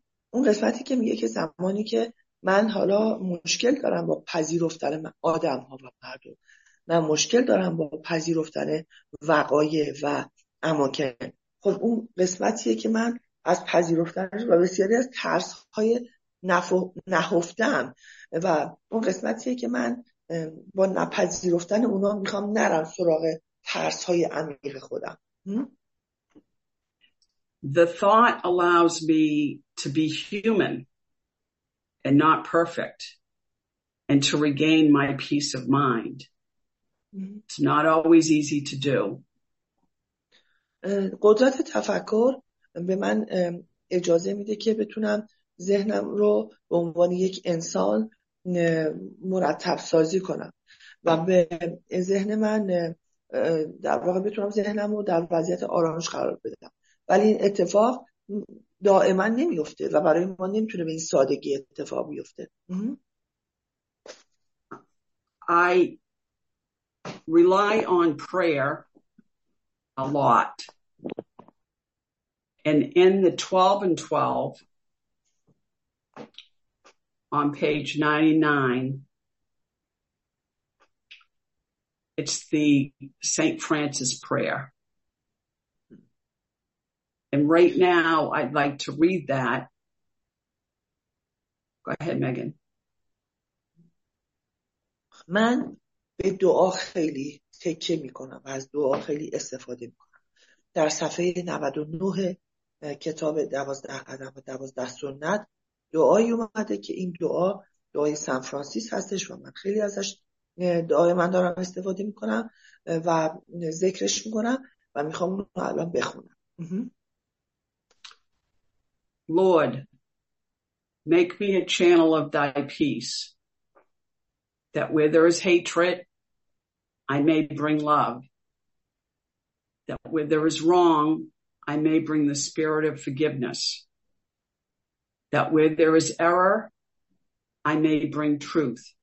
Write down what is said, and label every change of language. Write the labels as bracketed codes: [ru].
[fa] اون قسمتی که میگه که زمانی که من حالا مشکل دارم با پذیرفتن آدم ها و مردم، من مشکل دارم با پذیرفتن وقایع و اماکن، خب اون قسمتیه که من از پذیرفتنش و بسیاری از ترس های نهفتم و اون قسمتیه که من با نپذیرفتن اونا میخوام نرم سراغ ترس های عمیق خودم. [en] The thought allows me to be human and not perfect and to regain my peace of mind. It's not always easy to do. [fa] قدرت تفکر به من اجازه میده که بتونم ذهنم رو به عنوان یک انسان مرتب سازی کنم و به ذهن من در واقع بتونم ذهنم رو در وضعیت آرامش قرار بدم، ولی این اتفاق دائما نمیفته و برای ما نمیتونه به این سادگی اتفاق بیفته. [en] I rely on prayer a lot. And in the 12 and 12 on page 99, it's the St. Francis prayer. And right now I'd like to read that. Go ahead, Megan. [fa] من به دعا خیلی تکیه میکنم، از دعا خیلی استفاده میکنم. در صفحه 99 کتاب 12 قدم و 12 سنت دعایی اومده که این دعا دعای سن فرانسیس هستش و من خیلی ازش دعای من دارم استفاده میکنم و ذکرش میکنم و میخوام اون رو الان بخونم. [en] Lord, make me a channel of thy peace, that where there is hatred, I may bring love, that where there is wrong, I may bring the spirit of forgiveness, that where there is error, I may bring truth,